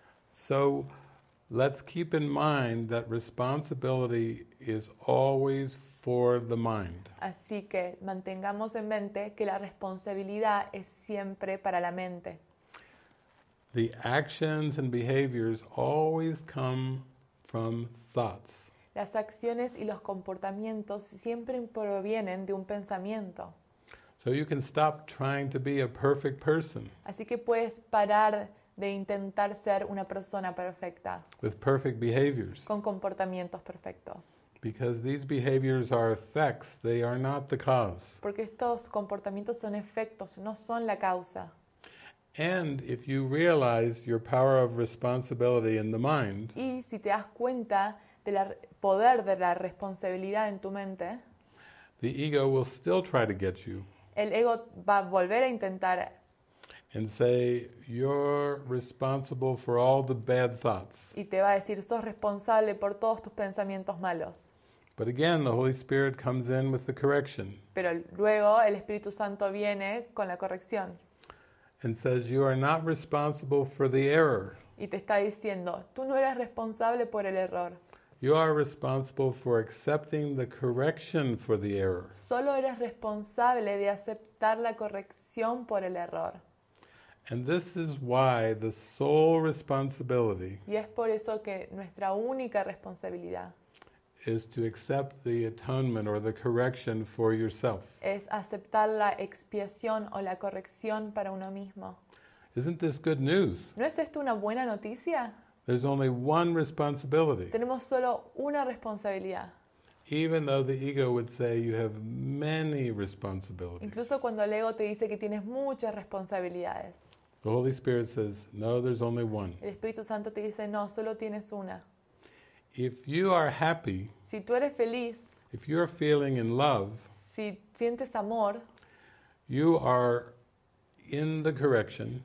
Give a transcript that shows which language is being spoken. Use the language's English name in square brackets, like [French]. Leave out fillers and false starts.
[English] So, let's keep in mind that responsibility is always for the mind. [Spanish] Así que mantengamos en mente que la responsabilidad es siempre para la mente. [English] The actions and behaviors always come from thoughts. [Spanish] Las acciones y los comportamientos siempre provienen de un pensamiento. [English] So you can stop trying to be a perfect person. [Spanish] Así que puedes parar de intentar ser una persona perfecta. [English] With perfect behaviors. [Spanish] Con comportamientos perfectos. [English] Because these behaviors are effects, they are not the cause. [Spanish] Porque estos comportamientos son efectos, no son la causa. [English] And if you realize your power of responsibility in the mind, [Spanish] y si te das cuenta del poder de la responsabilidad en tu mente, [English] the ego will still try to get you. [Spanish] El ego va a volver a intentar. [English] And say, you're responsible for all the bad thoughts. [Spanish] Y te va a decir, sos responsable por todos tus pensamientos malos. [English] But again, the Holy Spirit comes in with the correction. [Spanish] Pero luego el Espíritu Santo viene con la corrección. [English] And says, you are not responsible for the error. [Spanish] Y te está diciendo, tú no eres responsable por el error. [English] You are responsible for accepting the correction for the error. [Spanish] Solo eres responsable de aceptar la corrección por el error. [English] And this is why the sole responsibility, [Spanish] y es por eso que nuestra única responsabilidad, [English] is to accept the atonement or the correction for yourself. [Spanish] Es aceptar la expiación o la corrección para uno mismo. [English] Isn't this good news? [Spanish] ¿No es esto una buena noticia? [English] There's only one responsibility. [Spanish] Tenemos solo una responsabilidad. [English] Even though the ego would say you have many responsibilities. [Spanish] Incluso cuando el ego te dice que tienes muchas responsabilidades. [English] The Holy Spirit says, no, there's only one. [Spanish] El Espíritu Santo te dice, no, solo tienes una. [English] If you are happy, [Spanish] si tú eres feliz, [English] if you are feeling in love, [Spanish] si sientes amor, [English] you are in the correction,